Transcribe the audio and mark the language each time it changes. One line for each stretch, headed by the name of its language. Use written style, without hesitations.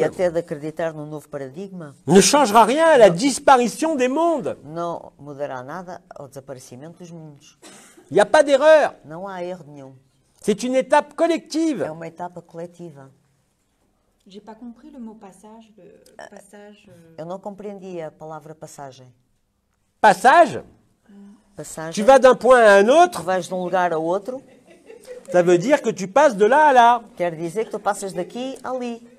Portuguese: E até de acreditar num novo paradigma.
French: Ne changera rien à la disparition des mondes.
Portuguese: Não mudará nada ao desaparecimento dos mundos.
French: Il n'y a pas d'erreur.
Portuguese: Não há erro nenhum.
French: C'est une étape collective.
Portuguese: É uma etapa coletiva.
French: J'ai pas compris le mot passage, le passage.
Portuguese: Eu não compreendi a palavra passagem.
French: Passage?
Portuguese: Passagem.
French: Tu vas d'un point à un autre.
Portuguese: Tu vas d'un lugar a outro.
French: Ça veut dire que tu passes de là à là.
Portuguese: Quer dizer que tu passas daqui ali.